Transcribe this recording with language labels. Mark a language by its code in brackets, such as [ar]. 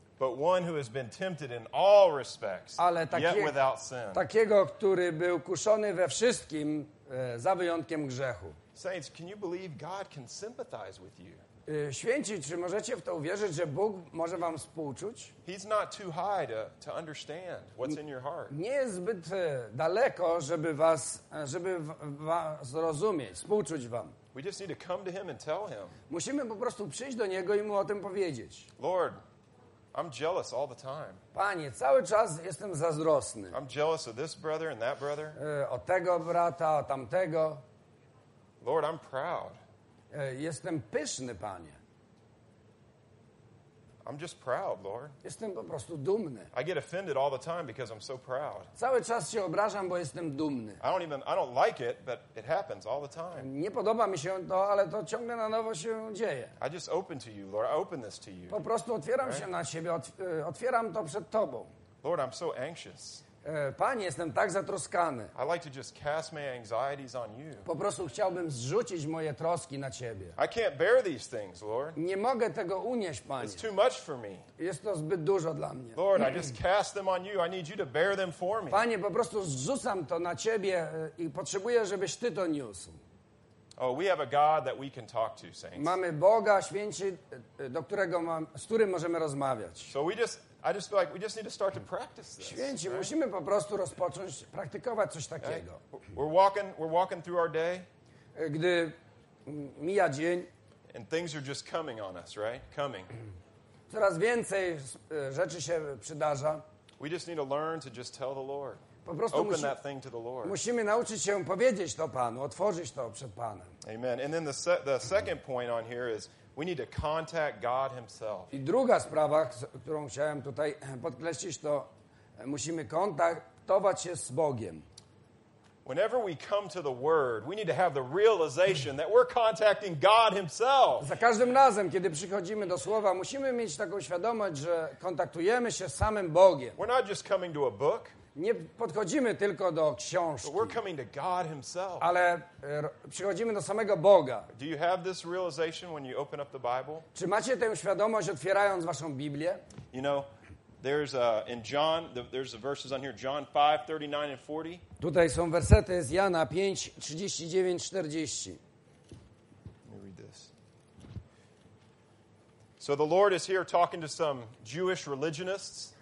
[en] But one who has been tempted in all respects, [pl] ale [en] yet without sin. [pl] Takiego, który był kuszony we wszystkim, za wyjątkiem grzechu. [en] Saints, can you believe God can sympathize with you? [pl] Święci, czy możecie w to uwierzyć, że Bóg może wam współczuć? [en] He's not too high to understand what's in your heart. [pl] Nie jest zbyt daleko, żeby was zrozumieć, współczuć wam. [en] We just need to come to Him and tell Him. [pl] Musimy po prostu przyjść do Niego i Mu o tym powiedzieć. [en] Lord, I'm jealous all the time. [pl] Panie, cały czas jestem zazdrosny. [en] I'm jealous of this brother and that brother. [pl] O tego brata, o tamtego. [en] Lord, I'm proud. [pl] Jestem pyszny, Panie. [en] I'm just proud, Lord. [pl] Jestem po prostu dumny. [en] I get offended all the time because I'm so proud. [pl] Cały czas się obrażam, bo jestem dumny. [en] I don't like it, but it happens all the time. [pl] Nie podoba mi się to, ale to ciągle na nowo się dzieje. [en] I just open to you, Lord. I open this to you. [pl] Po prostu otwieram right? się na siebie, otwieram to przed Tobą. [en] Lord, I'm so anxious. [pl] Panie, jestem tak zatroskany. [en] I like to just cast my anxieties on you. [pl] Po prostu chciałbym zrzucić moje troski na Ciebie. [en] I can't bear these things, Lord. [pl] Nie mogę tego unieść, Panie. [en] It's too much for me. [pl] Jest to zbyt dużo dla mnie. [en] Lord, I just cast them on you. I need you to bear them for me. [pl] Panie, po prostu zrzucam to na Ciebie i potrzebuję, żebyś Ty to niósł. [en] Oh, we have a God that we can talk to, saints. [pl] Mamy Boga, święci, do którego z którym możemy rozmawiać. [en] So we just... I just feel like we just need to start to practice this. [pl] Święci, right? Musimy po prostu rozpocząć praktykować coś takiego. [en] We're walking through our day. [pl] Gdy mija dzień. [en] And things are just coming on us, right? Coming. [pl] Coraz więcej rzeczy się przydarza. [en] We just need to learn to just tell the Lord. [pl] Po prostu [en] open that thing to the Lord. [pl] Musimy nauczyć się powiedzieć to Panu, otworzyć to przed Panem. [en] Amen. And then the second point on here is we need to contact God Himself. [pl] I druga sprawa, którą chciałem tutaj podkreślić, to musimy kontaktować się z Bogiem. [en] Whenever we come to the Word, we need to have the realization that we're contacting God Himself. [pl] Za każdym razem, kiedy przychodzimy do Słowa, musimy mieć taką świadomość, że kontaktujemy się z samym Bogiem. [en] We're not just coming to a book. [pl] Nie podchodzimy tylko do książki. [en] But we're coming to God Himself. [pl] Ale przychodzimy do samego Boga. [en] Do you have this realization when you open up the Bible? [pl] Czy macie tę świadomość, otwierając waszą Biblię? [en] You know, there's in John, there's the verses on here, John 5:39 and 40. [pl] Tutaj są wersety z Jana 5:39-40. [en] So the Lord is here talking to some Jewish religionists.